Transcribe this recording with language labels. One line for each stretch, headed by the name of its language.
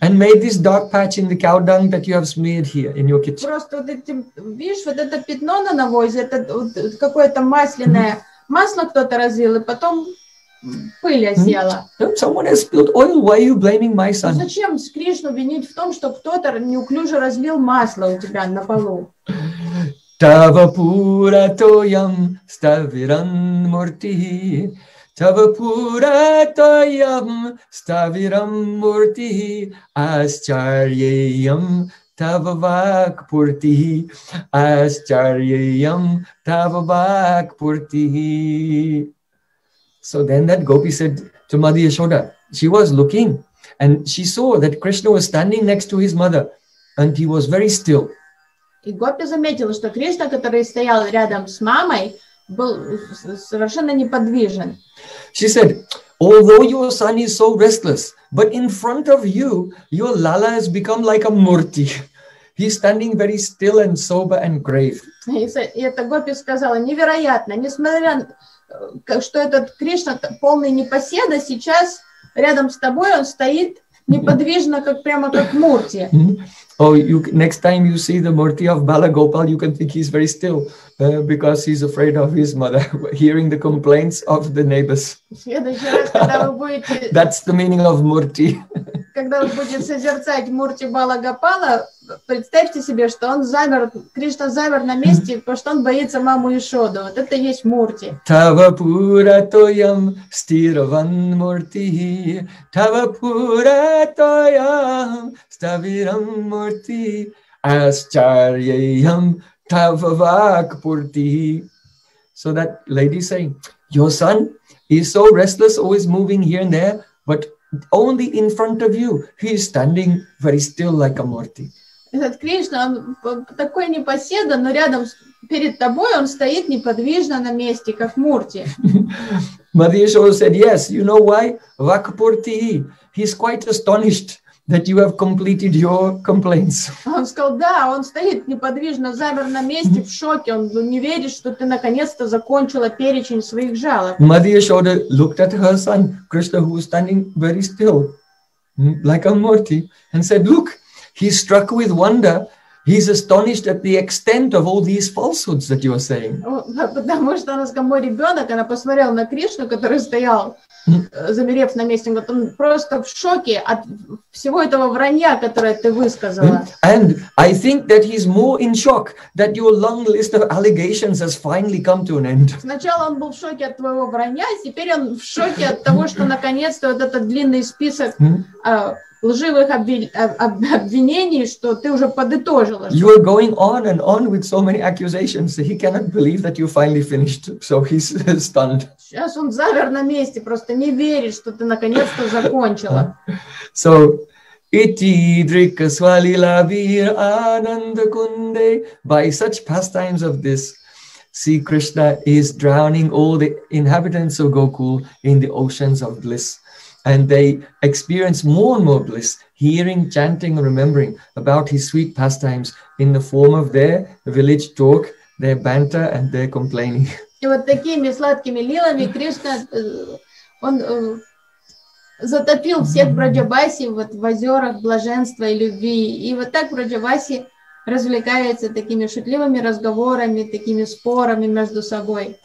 English: And made this dark patch in the cow dung that you have smeared here in your kitchen.
Russian: Просто вот этим, видишь, вот это пятно на навозе, это вот какое-то масляное масло кто-то разлил, и потом пыль осела.
English: Someone has spilled oil. Why are you blaming my son?
Russian: Зачем Кришну винить в том, что кто-то неуклюже разлил масло у тебя на полу?
Sanskrit: Tava pura toyam staviran murtihi. Tava pura toyam staviram murtihi. Ascharyayam tava vak purtihi. Ascharyayam tava vak purtihi.
English: So then that gopi said to Mother Yashoda, she was looking and she saw that Krishna was standing next to his mother and he was very still.
Russian: И гопи заметила, что Кришна, который стоял рядом с мамой, был совершенно неподвижен.
English: She said, although your son is so restless, but in front of you, your Lala has become like a murti. He's standing very still and sober and grave.
Russian: И эта гопи сказала, невероятно, несмотря на что этот Кришна полный непоседа, сейчас рядом с тобой он стоит неподвижно, как прямо как Мурти.
English: Oh, you, next time you see the Murti of Balagopal, you can think he's very still because he's afraid of his mother hearing the complaints of the neighbors. That's the meaning of Murti.
Russian: Когда вы будете созерцать Мурти Балагопала, представьте себе, что он замер, Кришна замер на месте, потому что он боится маму Ишоду. Вот это и есть Мурти.
Sanskrit: Тава пура тоям стираван муртихи. Тава пура тоям ставирам мурти. Ащарьям тава вак пуртихи.
English: So that lady saying, your son is so restless, always moving here and there, but only in front of you, he is standing very still like a murti.
Russian: Этот Кришна, он такой непоседа, но рядом перед тобой он стоит неподвижно на месте, как мурти.
English: Mother Yashoda said, yes, you know why? Vakpurti, he's quite astonished that you have completed your complaints.
Russian: Он сказал, да, он стоит неподвижно, замер на месте, в шоке, он не верит, что ты наконец-то закончила перечень своих жалоб.
English: Mother Yashoda looked at her son, Krishna, who was standing very still, like a murti, and said, look, he's struck with wonder. He's astonished at the extent of all these falsehoods that you are saying.
Russian: Потому что она сказала, мой ребенок, она посмотрела на Кришну, который стоял, замерев на месте, он просто в шоке от всего этого вранья, которое ты высказала.
English: And I think that he's more in shock that your long list of allegations has finally come to an end.
Russian: Сначала он был в шоке от твоего вранья, теперь он в шоке от того, что наконец-то вот этот длинный список лживых обвинений, что ты уже подытожила.
English: You are going on and on with so many accusations. He cannot believe that you finally finished. So he's stunned.
Russian: Сейчас он замер на месте, просто не верит, что ты наконец-то закончила.
Sanskrit: So, iti drika swalila vir anandakunde.
English: By such pastimes of this, see Krishna is drowning all the inhabitants of Gokul in the oceans of bliss. And they experience more and more bliss, hearing, chanting, remembering about his sweet pastimes in the form of their village talk, their banter, and their complaining.
Russian: И вот такими сладкими лилами Кришна, он затопил всех Враджабаси вот в озерах блаженства и любви. И вот так Враджабаси развлекается такими шутливыми разговорами, такими спорами между собой.